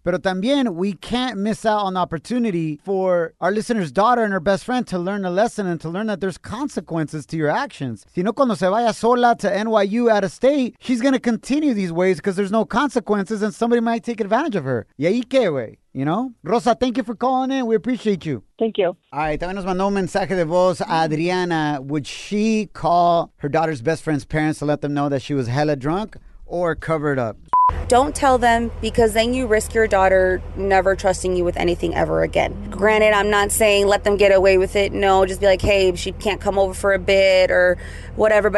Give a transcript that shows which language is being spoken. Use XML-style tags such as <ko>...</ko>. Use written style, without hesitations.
<es>Pero también,</es> <en>we can't miss out on the opportunity for our listener's daughter and her best friend to learn a lesson and to learn that there's consequences to your actions.</en> <es>Si no, cuando se vaya sola</es> <en>to NYU out of state, she's going to continue these ways because there's no consequences and somebody might take advantage of her.</en> <es>Y ahí qué, güey?</es> <en>You know? Rosa, thank you for calling in. We appreciate you. Thank you. All right.</en> <es>También nos mandó un mensaje de voz a Adriana.</es> <en>Would she call her daughter's best friend's parents to let them know that she was hella drunk or covered up? Don't tell them because then you risk your daughter never trusting you with anything ever again. Granted, I'm not saying let them get away with it. No, just be like, hey, she can't come over for a bit or whatever.</en>